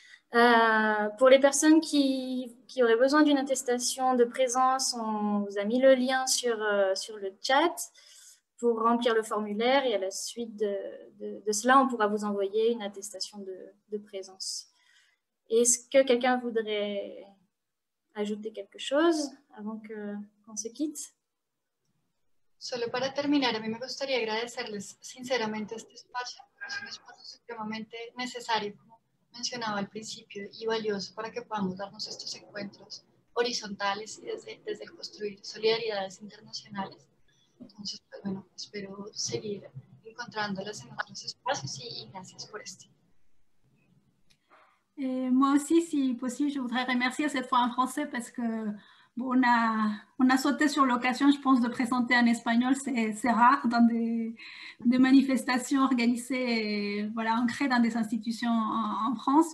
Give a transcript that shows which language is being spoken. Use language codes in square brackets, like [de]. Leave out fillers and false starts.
[fr] Pour les personnes qui auraient besoin d'une attestation de présence, on vous a mis le lien sur le chat pour remplir le formulaire, et à la suite de cela, on pourra vous envoyer une attestation de présence. Est-ce que quelqu'un voudrait ajouter quelque chose avant qu'on se quitte? [es] Solo para terminar, a mí me gustaría agradecerles sinceramente este espacio, es un espacio supremamente necesario, como mencionaba al principio, y valioso para que podamos darnos estos encuentros horizontales y desde el construir solidaridades internacionales. Entonces, pues bueno, espero seguir encontrándolas en otros espacios y gracias por esto. [fr] Moi aussi, si possible, je voudrais remercier cette fois en français parce que on a sauté sur l'occasion, je pense, de présenter en espagnol. C'est rare dans des manifestations organisées, ancrées dans des institutions en France.